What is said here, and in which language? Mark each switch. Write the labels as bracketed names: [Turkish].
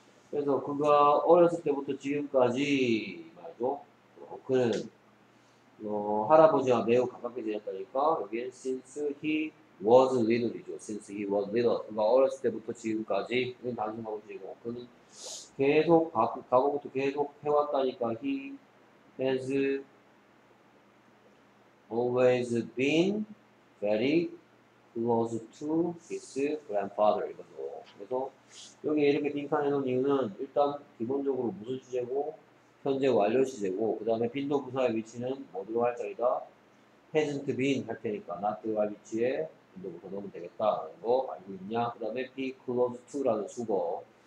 [Korean] 그래서 그가 어렸을 때부터 지금까지 말이죠. 그는 할아버지와 매우 가깝게 지냈다니까. 여기에 [English] since he was little이죠. Since he was little. [Korean] 그가 어렸을 때부터 지금까지. 그는 단순 과거시제고. 그는 계속 과거부터 계속 해왔다니까. [English] He has always been very close to his grandfather [Korean] 이거죠. 그래서 여기에 이렇게 빈칸해놓은 이유는 일단 기본적으로 무슨 시제고, 현재 완료 시제고, 그 다음에 빈도 부사의 위치는 뭐로 할 자리다? [English] hasn't been [Korean] 할 테니까 not 할 위치에 빈도 부사 넣으면 되겠다. 이거 알고 있냐? 그 다음에 be close to라는 수거.